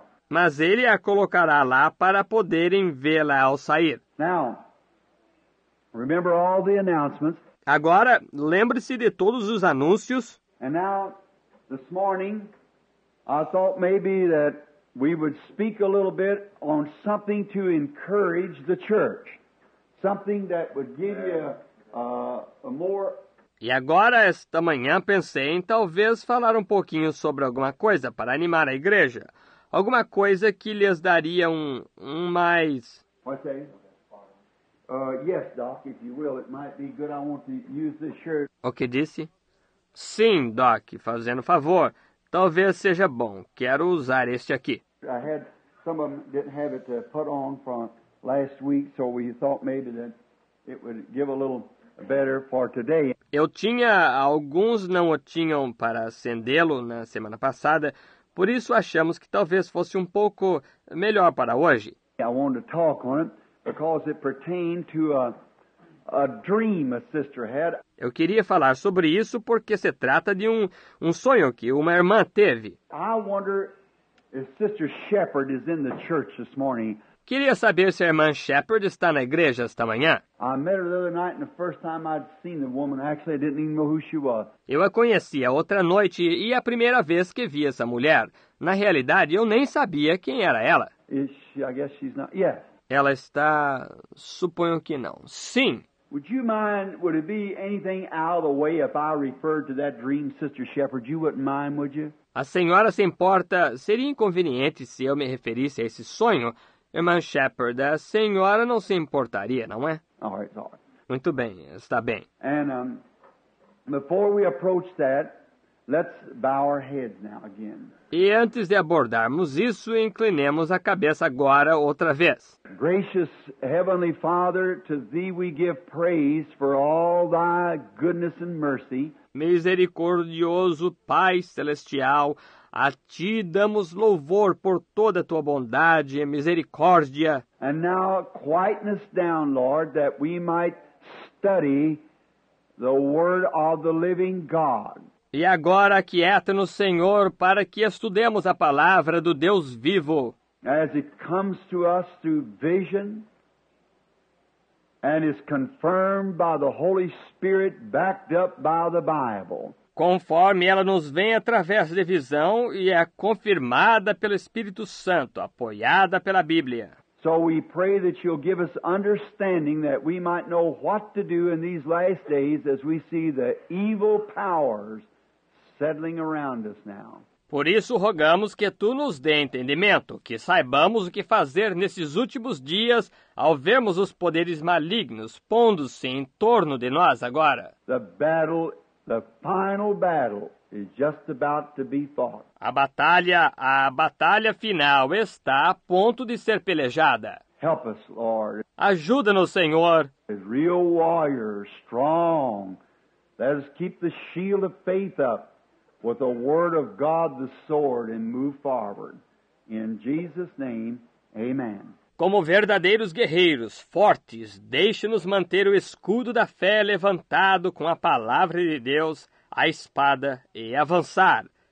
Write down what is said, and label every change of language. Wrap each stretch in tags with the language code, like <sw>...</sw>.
<pt>Mas ele a colocará lá para poderem vê-la ao sair.</pt> <en>Now, remember all the announcements.</en> <pt>Agora, lembre-se de todos os anúncios.</pt> <en>And now, this morning, I thought maybe that we would speak a little bit on something to encourage the church. Something that would give you a more.</en> <pt>E agora, esta manhã, pensei em talvez falar um pouquinho sobre alguma coisa para animar a igreja. Alguma coisa que lhes daria um mais.</pt> <en>What's that? Yes, Doc, if you will. It might be good. I want to use this shirt.</en> <pt>O que disse? Sim, Doc, fazendo favor. Talvez seja bom. Quero usar este aqui.</pt> <en>I had some of them didn't have it to put on from last week, so we thought maybe that it would give a little better for today.</en> <pt>Eu tinha, alguns não o tinham para acendê-lo na semana passada, por isso achamos que talvez fosse um pouco melhor para hoje.</pt> <en>I wanted to talk on it because it pertained to a dream a sister had.</en> <pt>Eu queria falar sobre isso porque se trata de um sonho que uma irmã teve.</pt> <en>I wonder if Sister Shepherd is in the church this morning.</en> <pt>Queria saber se a irmã Shepherd está na igreja esta manhã.</pt> <en>I met her the other night and the first time I'd seen the woman, actually I didn't even know who she was.</en> <pt>Eu a conheci a outra noite e a primeira vez que vi essa mulher. Na realidade, eu nem sabia quem era ela.</pt> <en>Is she, I guess she's not. Yes.</en> <pt>Ela está, suponho que não. Sim.</pt> <en>Would you mind, would it be anything out of the way if I referred to that dream, Sister Shepherd? You wouldn't mind, would you?</en> <pt>A senhora se importa, seria inconveniente se eu me referisse a esse sonho? Irmã Shepherd, a senhora não se importaria, não é?</pt> <en>All right.</en> <pt>Muito bem, está bem.</pt> <en>And before we approach that, let's bow our heads now again.</en> <pt>E antes de abordarmos isso, inclinemos a cabeça agora outra vez.</pt> <en>Gracious Heavenly Father, to Thee we give praise for all Thy goodness and mercy.</en> <pt>Misericordioso Pai Celestial, a Ti damos louvor por toda a Tua bondade e misericórdia.</pt> <en>And now quieten us down, Lord, that we might study the Word of the Living God.</en> <pt>E agora aquieta-nos, Senhor, para que estudemos a palavra do Deus vivo.</pt> <en>As it comes to us through vision and is confirmed by the Holy Spirit, backed up by the Bible.</en> <pt>Conforme ela nos vem através de visão e é confirmada pelo Espírito Santo, apoiada pela Bíblia.</pt> <en>So we pray that you'll give us understanding that we might know what to do in these last days as we see the evil powers settling around us now.</en> <pt>Por isso rogamos que tu nos dê entendimento, que saibamos o que fazer nesses últimos dias ao vermos os poderes malignos pondo-se em torno de nós agora.</pt> <en>The final battle is just about to be fought.</en> <pt>A batalha final está a ponto de ser pelejada.</pt> <en>Help us, Lord.</en> <pt>Ajuda-nos, Senhor.</pt> <en>A real warrior, strong. Let us keep the shield of faith up with the word of God the sword and move forward. In Jesus' name, amen.</en> <pt>Como verdadeiros guerreiros, fortes, deixe-nos manter o escudo da fé levantado com a palavra de Deus, a espada, e avançar.</pt>